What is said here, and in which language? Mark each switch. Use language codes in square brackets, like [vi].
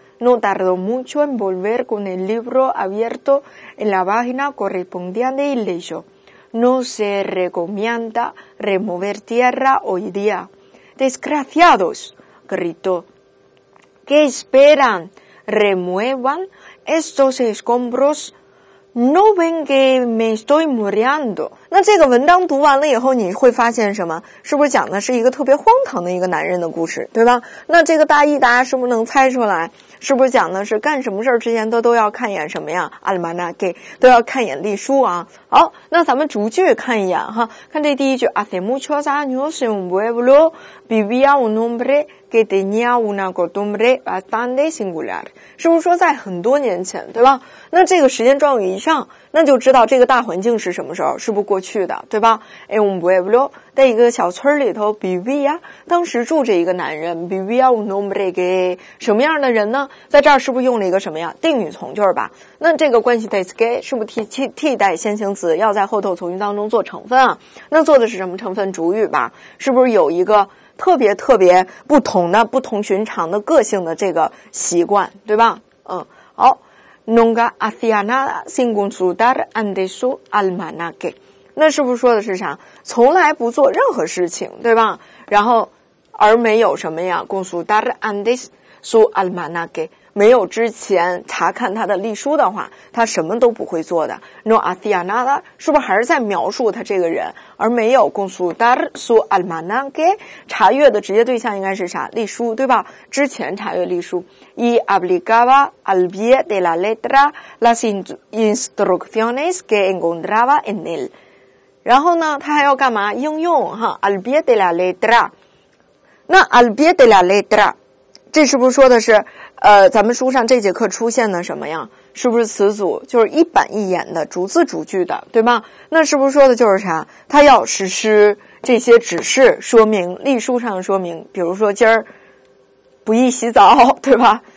[es] No tardó mucho en volver con el libro abierto en la página correspondiente y leyó, «No se recomienda remover tierra hoy día». «¡Desgraciados!», gritó. «¿Qué esperan? ¿Remuevan estos escombros? ¿No ven que me estoy muriendo?». [zh] 那这个文章读完了以后你会发现什么？是不是讲的是一个特别荒唐的一个男人的故事，对吧？那这个大意大家是不是能猜出来？是不是讲的是干什么事之前都要看一眼什么呀？阿里玛纳给都要看一眼历书啊。好，那咱们逐句看一眼哈，看这第一句 [es] Hace muchos años en un pueblo vivía un hombre que tenía una costumbre bastante singular， [zh] 是不是说在很多年前，对吧？那这个时间状语一上，那就知道这个大环境是什么时候，是不过去的，对吧？ [es] En un pueblo， [zh] 在一个小村里头 [es] vivía， [zh] 当时住着一个男人 [es] vivía un hombre que， [zh] 什么样的人呢？在这儿是不是用了一个什么呀定语从句吧？那这个关系 [es] es que [zh] 是不是 替代先行词，要在后头从句当中做成分啊？那做的是什么成分？主语吧？是不是有一个特别特别不同的不同寻常的个性的这个习惯，对吧？嗯，好。 [es] Nunca hacía nada sin consultar ante su almanaque。 [zh] 那是不是说的是啥？从来不做任何事情，对吧？然后而没有什么呀？ [es] Consultar ante su almanaque。 [zh] 没有之前查看他的历书的话，他什么都不会做的。 [es] No hacía nada， [zh] 是不是还是在描述他这个人，而没有 [es] consultar su almanaque？ [zh] 查阅的直接对象应该是啥？历书，对吧？之前查阅历书。 [es] Y aplicaba al pie de la letra las instrucciones que encontraba en él。 [zh] 然后呢，他还要干嘛？应用哈 ， [es] al pie de la letra。 [zh] 那 [es] al pie de la letra， [zh] 这是不是说的是，咱们书上这节课出现的什么呀？是不是词组就是一板一眼的，逐字逐句的，对吗？那是不是说的就是啥？他要实施这些指示、说明、历书上的说明，比如说今儿不宜洗澡，对吧？